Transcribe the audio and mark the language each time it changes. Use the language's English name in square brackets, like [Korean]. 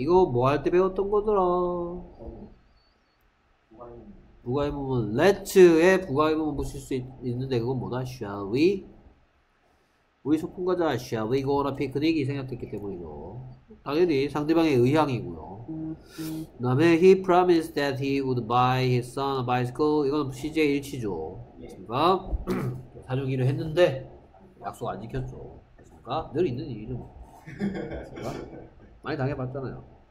[Korean] 이거 뭐 할 때 배웠던 거더라. 부가의 부분 Let's의 부가의 부분 붙일 수 있는데 그건 뭐다? [English] Shall we? [Korean] 우리 소풍 가자. [English] Shall we go on a picnic? [Korean] 이 생각됐기 때문이죠. 당연히 상대방의 의향이고요. 그 다음에 [English] He promised that he would buy his son a bicycle. [Korean] 이건 시제 일치죠. 그러니까 사주기로 했는데 약속 안 지켰죠. 그러니까 늘 있는 일이죠. 그러니까 많이 당해봤잖아요.